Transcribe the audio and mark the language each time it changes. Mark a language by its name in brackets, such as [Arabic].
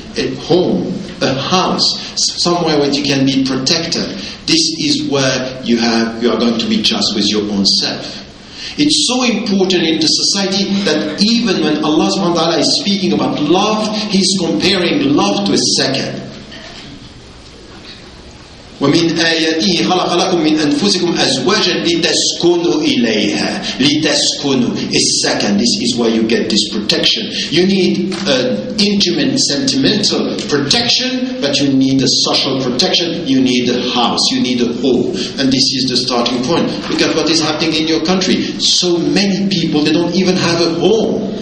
[English] A home, a house, somewhere where you can be protected. This is where you are going to be just with your own self. It's so important in the society that even when Allah subhanahu wa ta'ala is speaking about love, he's comparing love to a second. [Arabic] ومن آياته خلق لكم من أنفسكم أزواجا لتسكنوا إليها لتسكنوا السكن. [English] This is where you get this protection. You need an intimate sentimental protection, but you need a social protection. You need a house, you need a home, and this is the starting point. Look at what is happening in your country. So many people, they don't even have a home.